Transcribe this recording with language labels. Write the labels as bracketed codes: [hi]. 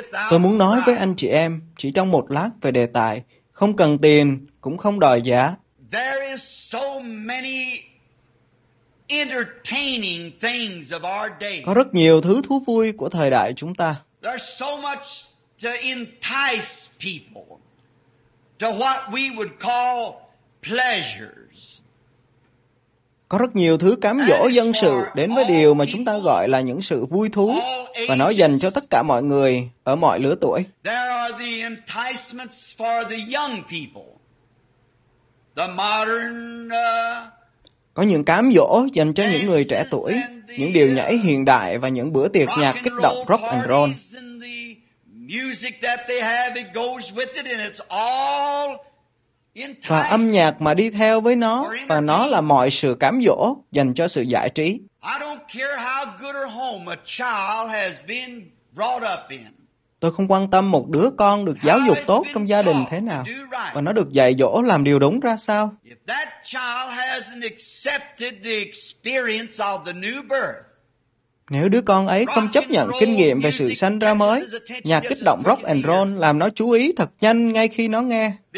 [vi] Tôi muốn nói với anh chị em chỉ trong một lát về đề tài không cần tiền cũng không đòi giá. [en] There is so many entertaining things of our day. [vi] Có rất nhiều thứ thú vui của thời đại chúng ta. [en] There is so much to entice people to what we would call pleasures. [vi] Có rất nhiều thứ cám dỗ dân sự đến với điều mà chúng ta gọi là những sự vui thú, và nó dành cho tất cả mọi người ở mọi lứa tuổi. [en] There are the enticements for the young people, the modern. [vi] Có những cám dỗ dành cho những người trẻ tuổi, những điều nhảy hiện đại và những bữa tiệc nhạc kích động rock and roll. [en] Music that they have, it goes with it, and it's all enticing. [vi] Và âm nhạc mà đi theo với nó, và nó là mọi sự cám dỗ dành cho sự giải trí. [en] I don't care how good a home a child has been brought up in. [vi] Tôi không quan tâm một đứa con được giáo dục tốt trong gia đình thế nào, và nó được dạy dỗ làm điều đúng ra sao. [en] If that child hasn't accepted the experience of the new birth. [vi] Nếu đứa con ấy không chấp nhận kinh nghiệm về sự sanh ra mới, nhạc kích động rock and roll làm nó chú ý thật nhanh ngay khi nó nghe.